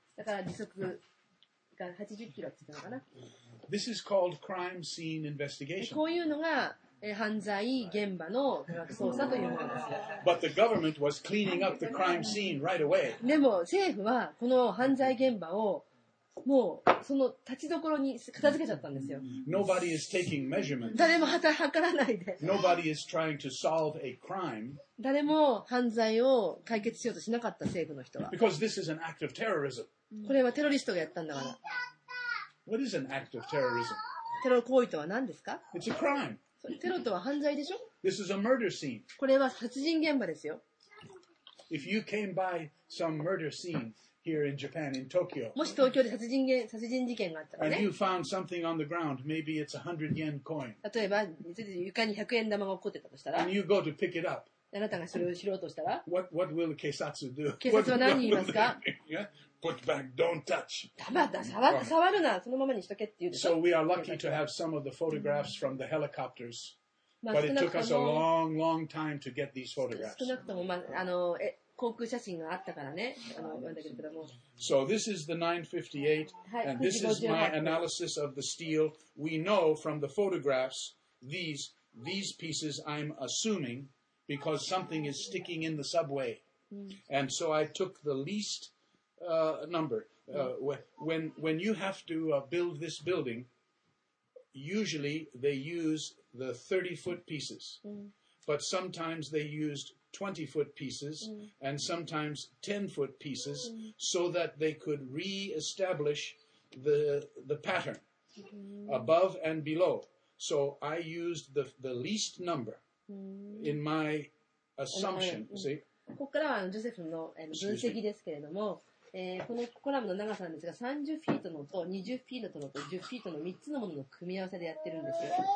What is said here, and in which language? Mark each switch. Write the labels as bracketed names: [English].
[Japanese] だから時速が80キロって言ったのかな。 [English] This is called crime scene investigation. [Japanese] こういうのが犯罪現場の科学捜査というものです。 [English] But the government was cleaning up the crime scene right away. [Japanese] でも政府はこの犯罪現場をもうその立ちどころに片付けちゃったんですよ。 [English] Nobody is taking measurements. [Japanese] 誰も測らないで。 [English] Nobody is trying to solve a crime. [Japanese] 誰も犯罪を解決しようとしなかった政府の人は。 [English] Because this is an act of terrorism. [Japanese] これはテロリストがやったんだから。 [English] What is an act of terrorism? [Japanese] テロ行為とは何ですか？ [English] It's a crime. [Japanese] テロとは犯罪でしょ？ [English] This is a murder scene. [Japanese] これは殺人現場ですよ。 [English] If you came by some murder scene. Here in Japan, in Tokyo. [Japanese] もし東京で殺人事件があったらね。 [English] And you found something on the ground, maybe it's a 100 yen coin. [Japanese] 例えば床に100円玉が落っこってたとしたら。 [English] And you go to pick it up. [Japanese] あなたがそれを拾おうとしたら。 [English] What will the 警察 do? [Japanese] 警察は何言いますか？ [English] Put back, don't touch. [Japanese] 黙った、触るな、そのままにしとけって言うでしょ。 [English] So we are lucky to have some of the photographs from the helicopters. But it took us a long, long time to get these photographs. [Japanese] 少なくとも、まあ、航空写真があったからね。 [English] So this is the 958, and this is my analysis of the steel. We know from the photographs, these pieces I'm assuming, because something is sticking in the subway. And so I took the least number. When you have to build this building, usually they use... The 30 foot pieces, but sometimes they used 20 foot pieces and sometimes 10 foot pieces so that they could re-establish the pattern above and below. So I used the least number in my assumption. See? [Japanese] ここからはジョセフの分析ですけれども、このコラムの長さなんですが、30フィートのと20フィートのと10フィートの3つのものの組み合わせでやってるんですよ。